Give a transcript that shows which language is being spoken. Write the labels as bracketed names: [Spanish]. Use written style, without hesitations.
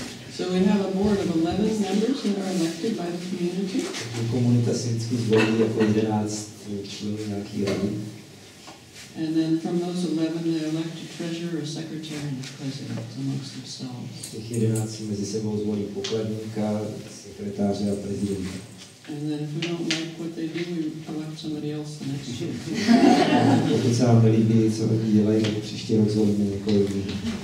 [English] So we have a board of 11 members that are elected by the community. [Czech] Komunita si vždycky zvolí jako 11 členů nějaký rady. [English] And then from those 11, they elect a treasurer, a secretary, and a president amongst themselves. [Czech] Těch 11 mezi sebou zvolí pokladníka, sekretáře a prezidenta. [English] And then if we don't like what they do, we elect somebody else the next year. [Czech] Pokud se vám nelíbí, co oni dělají, tak příští rok zvolíme někoho jiného.